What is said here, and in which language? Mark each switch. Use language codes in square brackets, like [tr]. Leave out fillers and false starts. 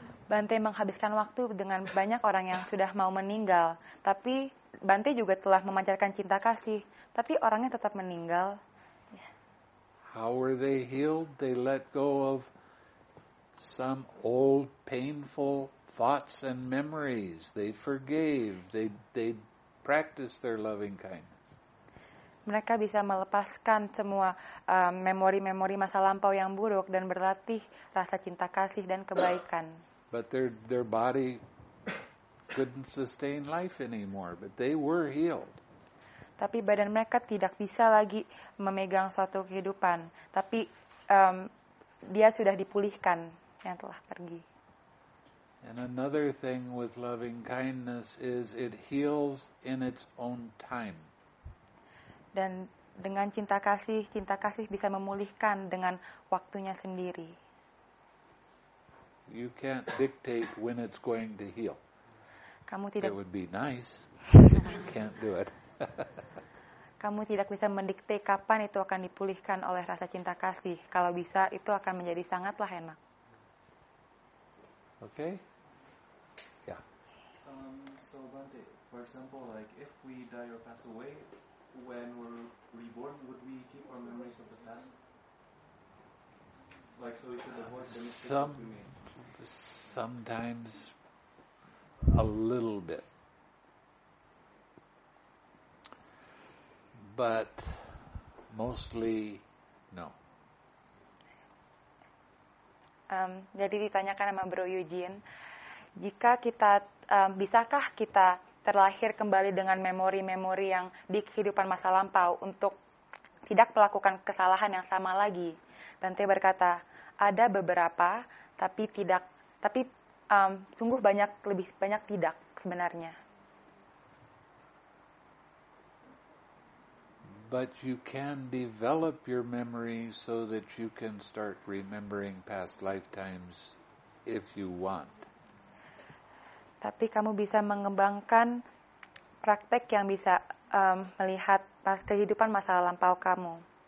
[id] Bante menghabiskan waktu dengan banyak orang yang sudah mau meninggal, tapi Bante juga telah memancarkan cinta kasih, tapi orangnya tetap meninggal. [en] How were they healed? They let go of some old painful thoughts and memories. They forgave. They practiced their loving kindness. [id] Mereka bisa melepaskan semua memori-memori masa lampau yang buruk dan berlatih rasa cinta kasih dan kebaikan. [en] But their body couldn't sustain life anymore, but they were healed. [id] Tapi badan mereka tidak bisa lagi memegang suatu kehidupan, tapi dia sudah dipulihkan yang telah pergi. [en] And another thing with loving kindness is it heals in its own time. [id] Dan dengan cinta kasih bisa memulihkan dengan waktunya sendiri. [en] You can't dictate when it's going to heal. [id] Kamu tidak. [en] It would be nice. You can't do it. [id] Kamu tidak bisa mendikte kapan itu akan dipulihkan oleh rasa cinta kasih. Kalau bisa, itu akan menjadi sangatlah enak. [en] Okay. Yeah. So Bante, for example, like if we die or pass away, when we're reborn, would we keep our memories of the past? Like so, we could avoid the mistakes that we made. Sometimes a little bit. But mostly no. [id] Jadi ditanyakan sama Bro Eugene, jika kita bisakah kita terlahir kembali dengan memori-memori yang di kehidupan masa lampau untuk tidak melakukan kesalahan yang sama lagi? Bante berkata, ada beberapa tapi tidak. Tapi sungguh banyak, lebih banyak tidak sebenarnya. [en] But you can develop your memory so that you can start remembering past lifetimes if you want. [id] Tapi kamu bisa mengembangkan praktek yang bisa melihat pas kehidupan masa lampau kamu.